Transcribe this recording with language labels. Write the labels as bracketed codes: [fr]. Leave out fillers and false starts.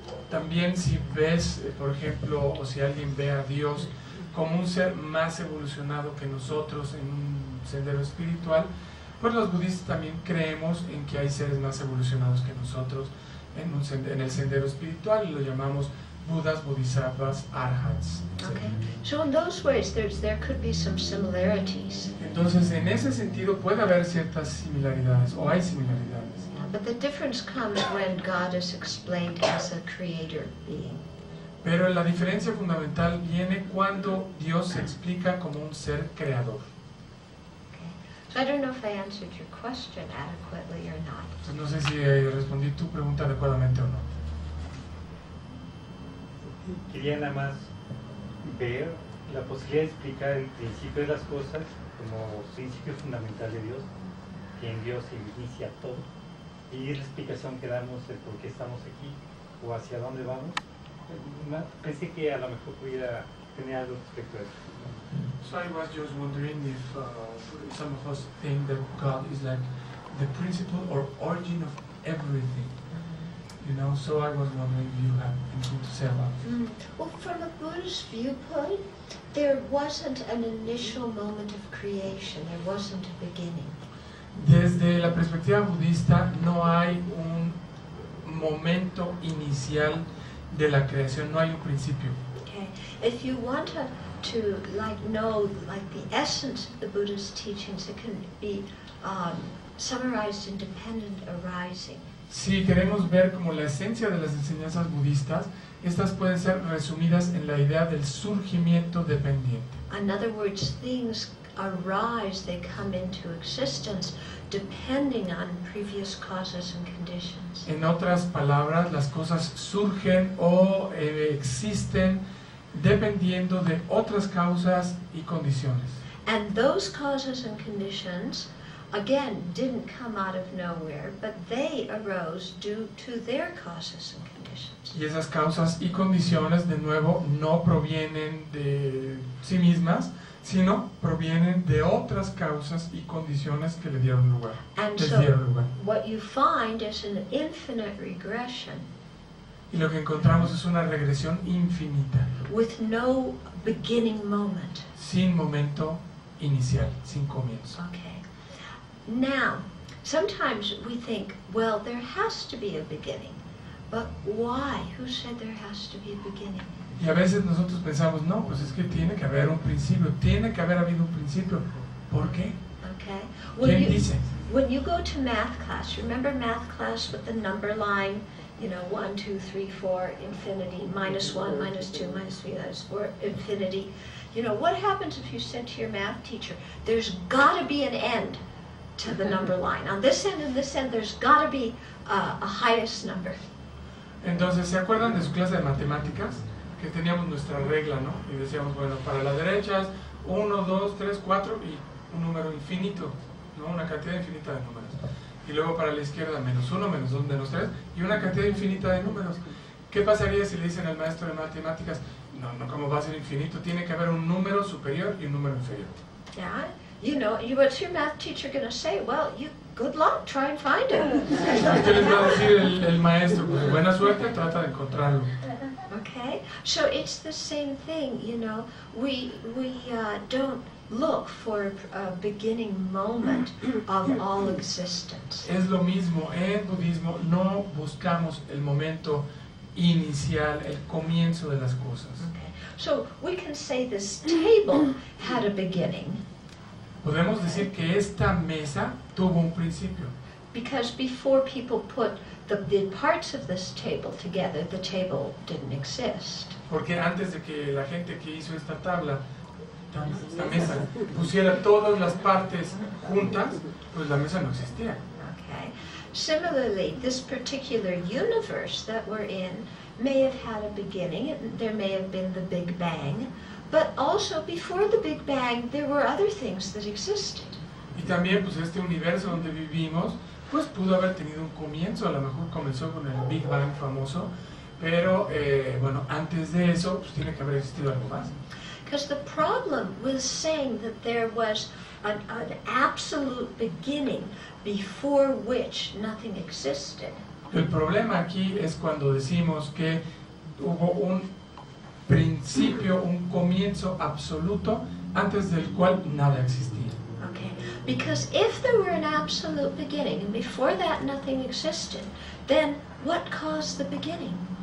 [es] También si ves, por ejemplo, o si alguien ve a Dios como un ser más evolucionado que nosotros en un sendero espiritual, pues los budistas también creemos en que hay seres más evolucionados que nosotros en el sendero espiritual, y lo llamamos Budas, Bodhisattvas, Arhats. [en] Okay. So in those ways there could be some similarities. [es] Entonces en ese sentido puede haber ciertas similaridades, o hay similaridades. [en] But the difference comes when God is explained as a creator being. [es] Pero la diferencia fundamental viene cuando Dios se explica como un ser creador. [en] Okay. So I don't know if I answered your question adequately or not. [es] Entonces, no sé si respondí tu pregunta adecuadamente o no. Quería nada más ver la posibilidad de explicar el principio de las cosas como principio fundamental de Dios, que en Dios se inicia todo, y la explicación que damos de por qué estamos aquí o hacia dónde vamos. Pensé que a lo mejor pudiera tener algo respecto a eso. [en] So I was just wondering if some of us think that God is like the principle or origin of everything. You know, so I was wondering if you have anything to say about it. Well, from a Buddhist viewpoint, there wasn't an initial moment of creation. There wasn't a beginning. [es] Desde la perspectiva budista, no hay un momento inicial de la creación. No hay un principio. [en] Okay. If you want to like know like the essence of the Buddhist teachings, it can be summarized in dependent arising. [es] Si queremos ver como la esencia de las enseñanzas budistas, estas pueden ser resumidas en la idea del surgimiento dependiente. [en] In other words, things arise, they come into existence, depending on previous causes and conditions. [es] En otras palabras, las cosas surgen o existen dependiendo de otras causas y condiciones. [en] And those causes and conditions, again, didn't come out of nowhere, but they arose due to their causes and conditions. [es] Y esas causas y condiciones, de nuevo, no provienen de sí mismas, sino provienen de otras causas y condiciones que le dieron lugar. [en] And [es] les [en] so, [es] dieron lugar. [en] What you find is an infinite regression. [es] Y lo que encontramos es una regresión infinita. [en] With no beginning moment. [es] Sin momento inicial, sin comienzo. [en] Okay. Now, sometimes we think, well, there has to be a beginning, but why? Who said there has to be a beginning? [es] Y a veces nosotros pensamos, no, pues es que tiene que haber un principio, tiene que haber habido un principio. ¿Por qué? [en] Okay. [es] ¿Quién dice? [en] When you go to math class, remember math class with the number line, you know, 1, 2, 3, 4, infinity, minus 1, minus 2, minus 3, that's 4, infinity. You know, what happens if you said to your math teacher, there's got to be an end to the number line. On this end and this end, there's got to be a highest number. [es] Entonces, ¿se acuerdan de su clase de matemáticas? Que teníamos nuestra regla, ¿no? Y decíamos, bueno, para las derechas, 1, 2, 3, 4 y un número infinito, ¿no? Una cantidad infinita de números. Y luego para la izquierda, menos 1, menos 2, menos 3 y una cantidad infinita de números. ¿Qué pasaría si le dicen al maestro de matemáticas, no, no, ¿cómo va a ser infinito? Tiene que haber un número superior y un número inferior. [en] Yeah. You know, what's your math teacher going to say? Well, good luck, try and find it. [es] ¿Qué les va a decir el maestro? Pues buena suerte, trata de encontrarlo. [en] Okay, so it's the same thing, you know. We don't look for a beginning moment of all existence. [es] Es lo mismo, en budismo no buscamos el momento inicial, el comienzo de las cosas. [en] Okay, so we can say this table had a beginning. [es] Podemos decir que esta mesa tuvo un principio. [en] Because before people put the parts of this table together, the table didn't exist. [es] Porque antes de que la gente que hizo esta tabla la mesa pusiera todas las partes juntas, pues la mesa no existía. [en] Okay. Similarly, this particular universe that we're in may have had a beginning. There may have been the Big Bang, but also before the Big Bang, there were other things that existed. [es] Y también, pues este universo donde vivimos, pues pudo haber tenido un comienzo. A lo mejor comenzó con el Big Bang famoso, pero bueno, antes de eso, pues tiene que haber existido algo más. [en] Because the problem with saying that there was an absolute beginning before which nothing existed. [es] El problema aquí es cuando decimos que hubo un principio, un comienzo absoluto antes del cual nada existía. [en] Okay. Because if there were an absolute beginning and before that nothing existed, then what caused the beginning?